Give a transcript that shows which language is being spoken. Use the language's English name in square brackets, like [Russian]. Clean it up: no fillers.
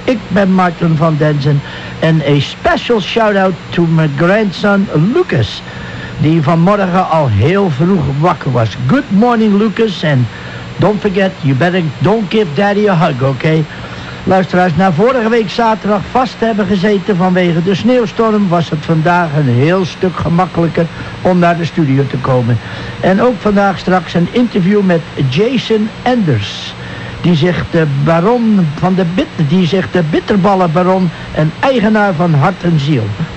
[Dutch] Ik ben Martin van Denzen en een [English] special shout-out to my grandson Lucas, [Dutch] die vanmorgen al heel vroeg wakker was. [English] Good morning Lucas, and don't forget, you better don't give daddy a hug, okay? [Dutch] Luisteraars, na vorige week zaterdag vast hebben gezeten vanwege de sneeuwstorm, was het vandaag een heel stuk gemakkelijker om naar de studio te komen. En ook vandaag straks een interview met Jason Enders, die zich de baron van de bitterballenbaron en eigenaar van hart en ziel.